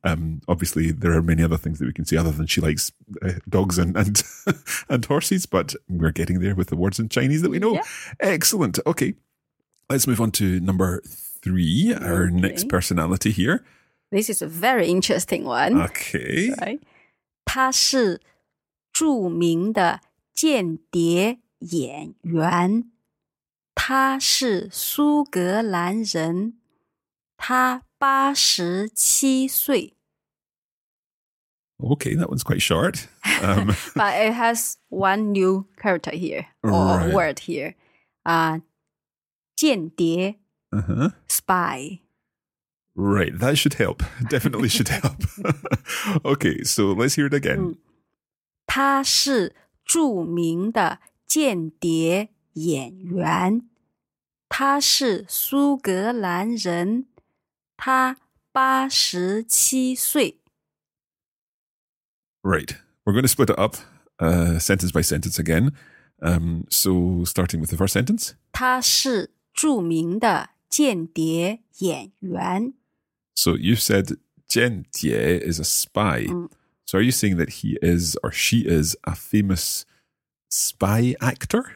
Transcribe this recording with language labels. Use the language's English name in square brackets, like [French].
[English] Obviously, there are many other things that we can say other than she likes dogs and and horses. But we're getting there with the words in Chinese that we know. Yeah. Excellent. Okay, let's move on to number three, our next personality here. This is a very interesting one. Okay. Right. [Chinese] 他是著名的间谍演员，他是苏格兰人，他八十七岁。 [English] Okay, that one's quite short. but it has one new character here, or right. word here. 间谍、 uh-huh. spy. Right, that should help. Definitely should help. okay, so let's hear it again. [Chinese] 他是著名的间谍演员，他是苏格兰人，他八十七岁。 [English] Right, we're going to split it up, sentence by sentence again. So starting with the first sentence. [Chinese] 他是著名的间谍演员。 [English] So you said 间谍 is a spy. So are you saying that he is or she is a famous spy actor?